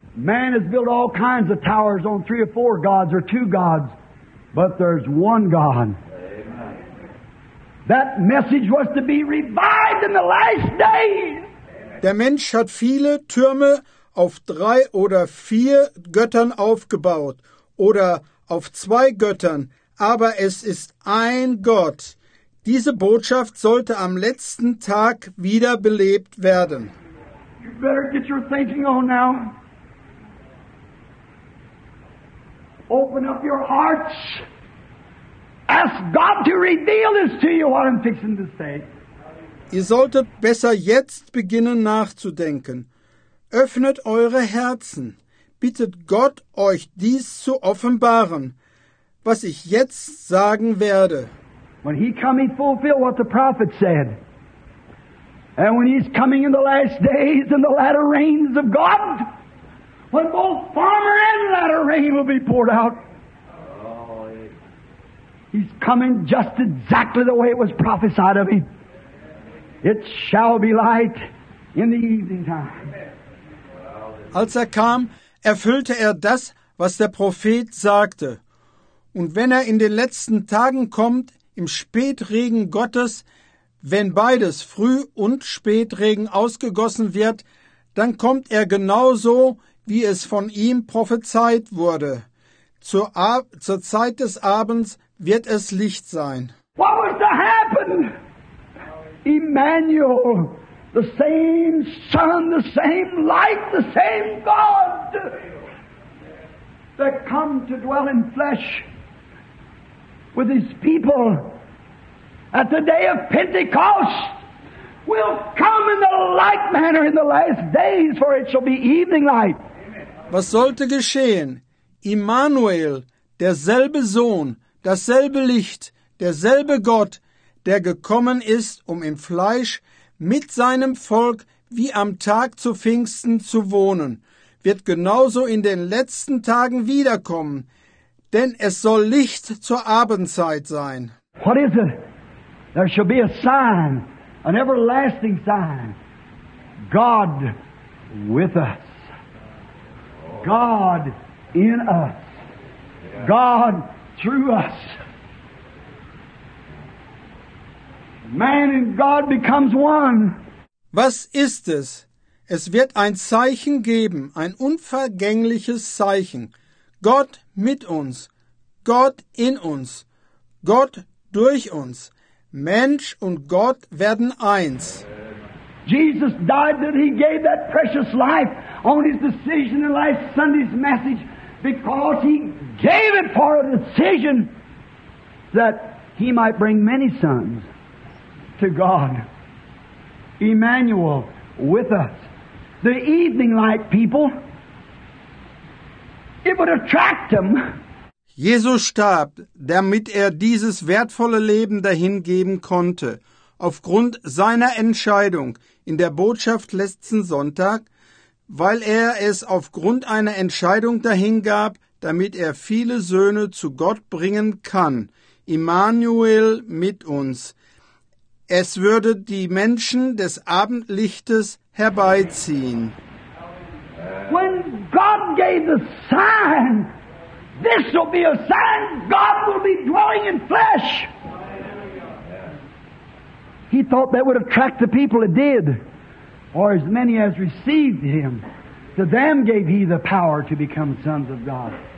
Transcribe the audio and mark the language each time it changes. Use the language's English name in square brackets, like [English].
[English] Man has built all kinds of towers on three or four gods or two gods, but there's one God. That message was to be revived in the last days. [German] Der Mensch hat viele Türme auf drei oder vier Göttern aufgebaut oder auf zwei Göttern, aber es ist ein Gott. Diese Botschaft sollte am letzten Tag wiederbelebt werden. [English] You better get your thinking on now. Open up your hearts. Ask God to reveal this to you, what I'm fixing to say. [German] Ihr solltet besser jetzt beginnen nachzudenken. Öffnet eure Herzen. Bittet Gott, euch dies zu offenbaren, was ich jetzt sagen werde. [English] When he come, he fulfilled what the prophet said. And when he's coming in the last days and the latter rains of God, when both former and latter rain will be poured out, he's coming just exactly the way it was prophesied of him. It shall be light in the evening time. [German] Als er kam, erfüllte er das, was der Prophet sagte. Und wenn er in den letzten Tagen kommt, im Spätregen Gottes, wenn beides, Früh- und Spätregen, ausgegossen wird, dann kommt er genauso, wie es von ihm prophezeit wurde. Zur Zeit des Abends wird es Licht sein. [English] What was to happen? Emmanuel, the same sun, the same light, the same God that come to dwell in flesh with his people at the day of Pentecost will come in the like manner in the last days, for it shall be evening light. [German] Was sollte geschehen? Emmanuel, derselbe Sohn, dasselbe Licht, derselbe Gott, der gekommen ist, um im Fleisch mit seinem Volk wie am Tag zu Pfingsten zu wohnen, wird genauso in den letzten Tagen wiederkommen, denn es soll Licht zur Abendzeit sein. [English] What is it? There shall be a sign, an everlasting sign. God with us. God in us. God through us. Man and God becomes one. [German] Was ist es? Es wird ein Zeichen geben, ein unvergängliches Zeichen. Gott mit uns, Gott in uns, Gott durch uns. Mensch und Gott werden eins. [English] Jesus died that he gave that precious life on his decision and last Sunday's message, because he gave it for a decision that he might bring many sons to God. Emmanuel with us. The evening light people, it would attract them. [German] Jesus starb, damit er dieses wertvolle Leben dahingeben konnte. Aufgrund seiner Entscheidung in der Botschaft letzten Sonntag, weil er es aufgrund einer Entscheidung dahingab, damit er viele Söhne zu Gott bringen kann, Immanuel mit uns. Es würde die Menschen des Abendlichtes herbeiziehen. [English] When God gave the sign, this will be a sign, God will be dwelling in flesh. He thought that would attract the people, it did. Or as many as received him, to them gave he the power to become sons of God.